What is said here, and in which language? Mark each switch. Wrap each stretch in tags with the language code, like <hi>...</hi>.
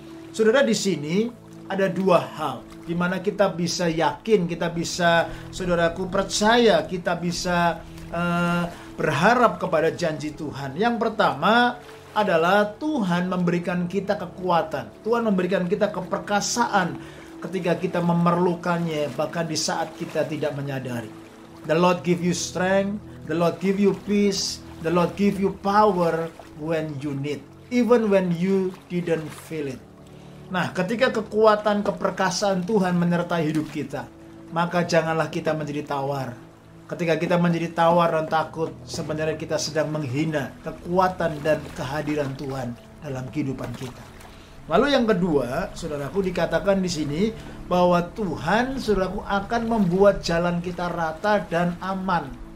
<id>Saudara, di sini ada dua hal di mana kita bisa yakin, kita bisa, saudaraku, percaya, kita bisa berharap kepada janji Tuhan. Yang pertama adalah Tuhan memberikan kita kekuatan. Tuhan memberikan kita keperkasaan ketika kita memerlukannya, bahkan di saat kita tidak menyadari.</id> <en>The Lord give you strength, the Lord give you peace, the Lord give you power when you need, even when you didn't feel it.</en> <id>Nah, ketika kekuatan, keperkasaan Tuhan menyertai hidup kita, maka janganlah kita menjadi tawar. Ketika kita menjadi tawar dan takut, sebenarnya kita sedang menghina kekuatan dan kehadiran Tuhan dalam kehidupan kita. Lalu yang kedua, saudaraku, dikatakan di sini bahwa Tuhan, saudaraku, akan membuat jalan kita rata dan aman.</id>